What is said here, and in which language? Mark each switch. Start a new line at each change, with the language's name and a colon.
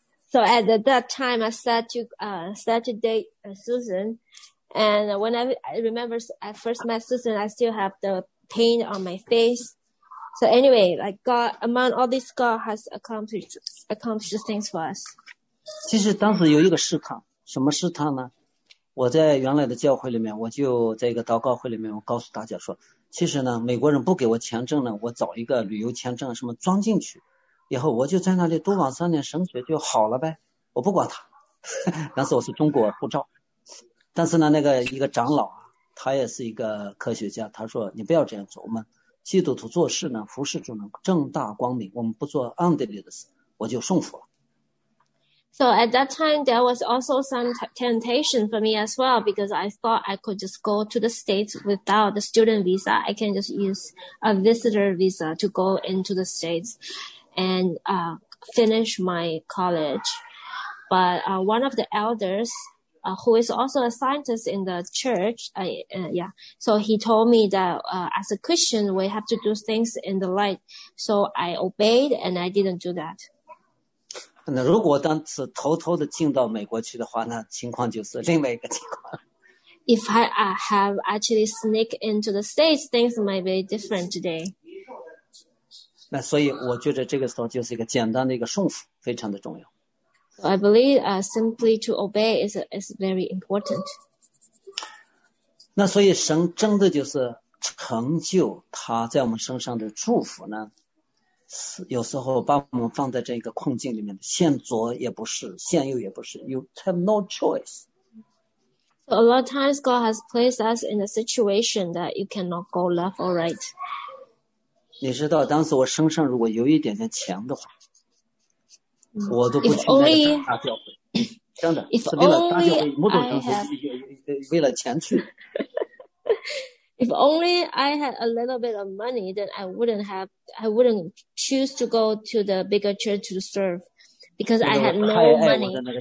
English: So at that time, I started to date Susan. And when I remember I first met Susan, I still have the pain on my face. So anyway, like God, among all this, God has accomplished things for us.
Chinese: 其实当时有一个试探，什么试探呢？我在原来的教会里面，我就在一个祷告会里面，我告诉大家说，其实呢，美国人不给我签证呢，我找一个旅游签证，什么装进去，以后我就在那里读完3年神学就好了呗，我不管他。当时我是中国护照。但是呢，那个一个长老啊，他也是一个科学家，他说你不要这样做，我们基督徒做事呢，服事主呢，正大光明，我们不做暗地里的事，我就顺服了。
English: So at that time, there was also some temptation for me as well, because I thought I could just go to the States without the student visa. I can just use a visitor visa to go into the States and finish my college. But one of the elders, who is also a scientist in the church. So he told me that as a Christian, we have to do things in the light. So I obeyed and I didn't do that.
Chinese: 那如果当时偷偷的进到美国去的话，那情况就是另外一个情况。
English: If I have actually sneak into the States, things might be different today.
Chinese: 那所以我觉得这个时候就是一个简单的一个顺服，非常的重要。
English: So、I believe simply to obey is very important.
Chinese: 那所以神真的就是成就他在我们身上的祝福呢？有时候把我们放在这个困境里面，现左也不是，现右也不是 ，
English: You have no choice. So a lot of times God has placed us in a situation that you cannot go left or right.
Chinese: 你知道，当时我身上如果有一点点钱的话，我都不去那个大教会。
English: Only,
Chinese: 真的，是为了大教会，某种程度为了钱去。
English: If only I had a little bit of money, then I wouldn't choose to go to the bigger church to serve because I had no money.